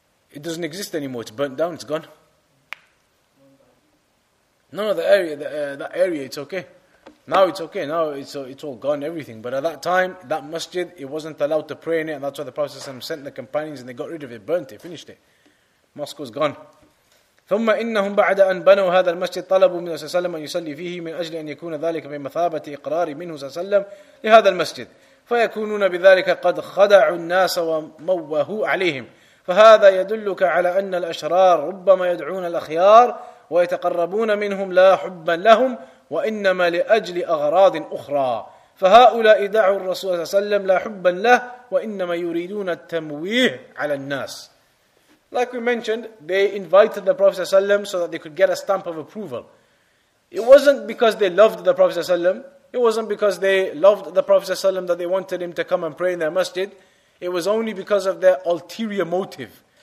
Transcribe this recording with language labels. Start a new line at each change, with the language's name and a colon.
English: It doesn't exist anymore. It's burnt down. It's gone. No, the area, that area, it's okay. Now it's okay. Now it's all gone, everything. But at that time, that masjid, it wasn't allowed to pray in it. And that's why the Prophet ﷺ sent the companions and they got rid of it, burnt it, finished it. Mosque was gone.
Arabic: ثم إنهم بعد أن بنوا هذا المسجد طلبوا من رسول الله أن يصلي فيه من أجل أن يكون ذلك بمثابة إقرار منه صلى الله عليه وسلم لهذا المسجد فيكونون بذلك قد خدعوا الناس وموهوا عليهم فهذا يدلك على أن الأشرار ربما يدعون الأخيار ويتقربون منهم لا حبا لهم وإنما لأجل أغراض أخرى فهؤلاء دعوا الرسول صلى الله عليه وسلم لا حبا له وإنما يريدون التمويه على الناس.
English: Like we mentioned, they invited the Prophet ﷺ so that they could get a stamp of approval. It wasn't because they loved the Prophet ﷺ. It wasn't because they loved the Prophet ﷺ that they wanted him to come and pray in their masjid. It was only because of their ulterior motive.